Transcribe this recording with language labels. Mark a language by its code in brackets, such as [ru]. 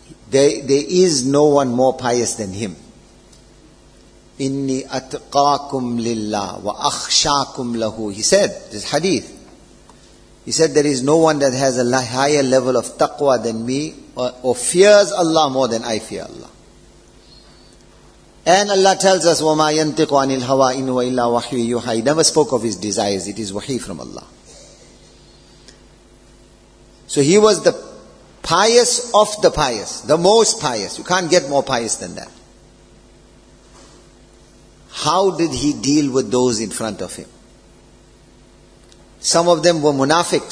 [en] There is no one more pious than him. [ar] Inni atqaakum lillah wa akhshaakum lahu. [en] He said, this hadith. He said, there is no one that has a higher level of taqwa than me or fears Allah more than I fear Allah. And Allah tells us, [ar] وَمَا يَنْتِقُ عَنِ الْهَوَىٰ إِنْ وَإِلَّا وَحْيُّ يُوحَىٰ. [en] He never spoke of his desires. It is wahi from Allah. So he was the pious of the pious. The most pious. You can't get more pious than that. How did he deal with those in front of him? Some of them were munafiqs.